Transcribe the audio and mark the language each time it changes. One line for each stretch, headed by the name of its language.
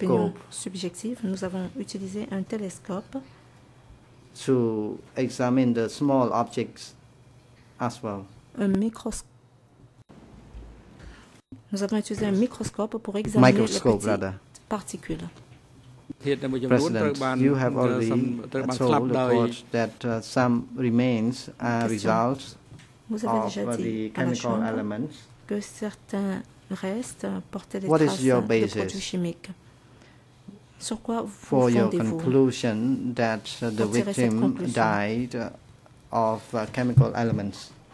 French: Des opinions subjectives. Nous avons utilisé un télescope
English: to examine the small objects as well.
French: Nous avons utilisé un microscope pour examiner microscope, les petites particules.
English: President, you have already told the court that some remains are results of the chemical elements.
French: Que certains restent portaient des traces de produits chimiques. Sur quoi vous fondez-vous?
English: For your conclusion that the victim died of chemical elements.